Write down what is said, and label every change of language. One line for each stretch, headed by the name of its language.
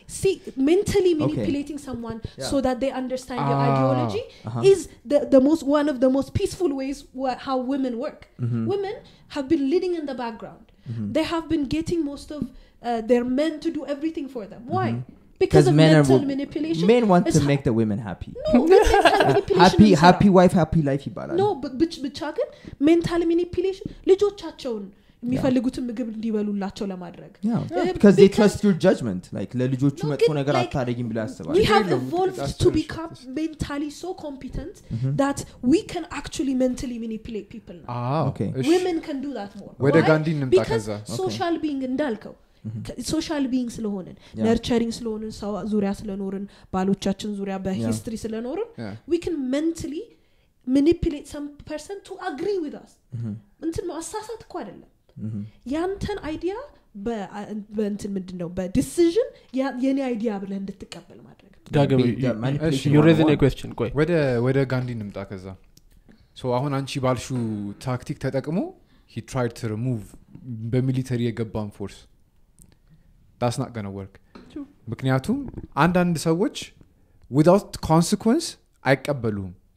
English: see mentally manipulating someone so that they understand your ideology is the most one of the most peaceful ways how women work women have been leading in the background they have been getting most of their men to do everything for them why because of mental manipulation men want to make the women happy no happy wife happy life
Amharic: ይባላል
English: no but mental manipulation
Amharic: ልጆቻቸውን የሚፈልጉት ምግብ እንዲበሉላቸው ለማድረግ
English: because they trust your judgment like
Amharic: ለልጆቹ መጥፎ ነገር አታደርግም ብለ ያስባሉ
English: we have evolved to become mentally so competent that we can actually mentally manipulate people now okay women can do that more
Amharic: ወደ ጋንዲ እንምጣ ከዛ social being እንዳልከው social beings ስለሆነን nurturing ስለሆነን ሰው ዙሪያ ስለኖርን ባሎቻችን ዙሪያ በhistory ስለኖርን
English: we can mentally manipulate some person to agree with us
Amharic: እንት ነው አሳሳት እኮ አይደለም ያንተን አይዲያ በእንትን ምንድነው በዲሲዥን የኔ አይዲያ ብለ እንድትቀበል ማድረግ ዳግም
English: you raise a question
Amharic: ቆይ ወደ ጋንዲ እንምጣ ከዛ so አሁን አንቺ ባልሹ ታክቲክ ተጠቅሞ
English: he tried to remove the military
Amharic: የገባን force
English: that's not going to work
Amharic: ምክንያቱም አንዳንድ ሰዎች without consequence አይቀበሉም